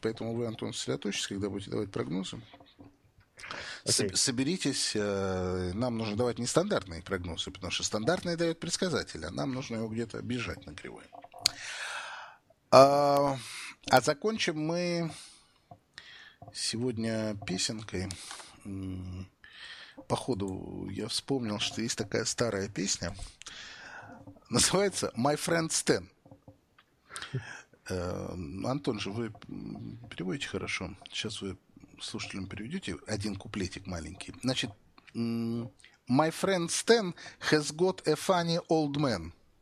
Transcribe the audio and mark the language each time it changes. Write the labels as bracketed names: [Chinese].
[Russian] Поэтому вы, Антон, сосредоточьтесь, когда будете давать прогнозы. Соберитесь, нам нужно давать нестандартные прогнозы, потому что стандартные дают предсказатели, а нам нужно его где-то бежать на кривой. А закончим мы сегодня песенкой. Походу, я вспомнил, что есть такая старая песня. Называется «My Friend Stan». Антон же, вы переводите хорошо. Сейчас вы слушателям переведете один куплетик маленький. Значит, [English] My friend Stan has got a funny old man.